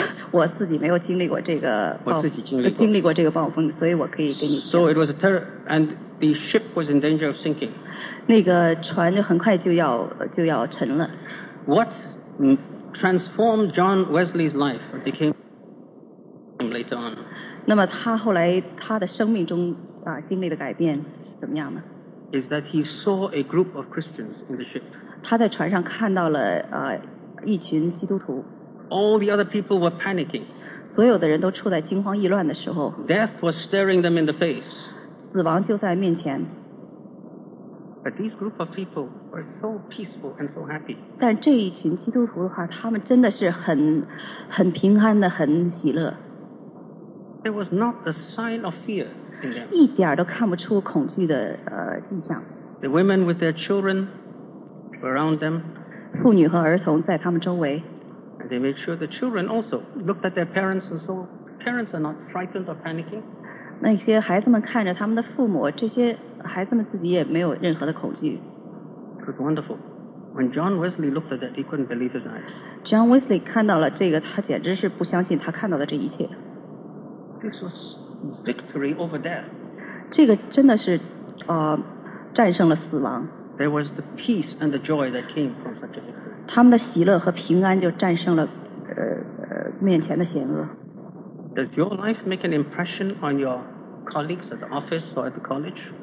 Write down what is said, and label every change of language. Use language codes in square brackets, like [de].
[zh] 我自己没有经历过这个暴风，我自己经历过，经历过这个暴风，所以我可以给你讲。 [en] So it was a terror, and the ship was in danger of sinking. [zh] 那个船就很快就要沉了。 [en] What transformed John Wesley's life became later on. [zh] 那么他后来他的生命中经历的改变怎么样呢？ [en] Is that he saw a group of Christians in the ship. [zh] 他在船上看到了一群基督徒。 [en] All the other people were panicking. [zh] 所有的人都处在惊慌意乱的时候。 [en] Death was staring them in the face. [zh] 死亡就在面前。 [en] But these group of people were so peaceful and so happy. [zh] 但这一群基督徒的话，他们真的是很平安的，很喜乐。 [en] There was not a sign of fear in them. [zh] 一点都看不出恐惧的迹象。 [en] The women with their children around them. [zh] 妇女和儿童在他们周围。 [en] They made sure the children also looked at their parents and saw parents are not frightened or panicking. [zh] 那些孩子们看着他们的父母，这些孩子们自己也没有任何的恐惧。 [en] It was wonderful. When John Wesley looked at that, he couldn't believe his eyes. [zh] John Wesley 看到了这个，他简直是不相信他看到的这一切。 [en] This was victory over death. [zh] 这个真的是战胜了死亡。 [en] There was the peace and the joy that came from such a victory. [zh] 他们的喜乐和平安就战胜了面前的险恶。 [en] Does your life make an impression on your colleagues at the office or at the college?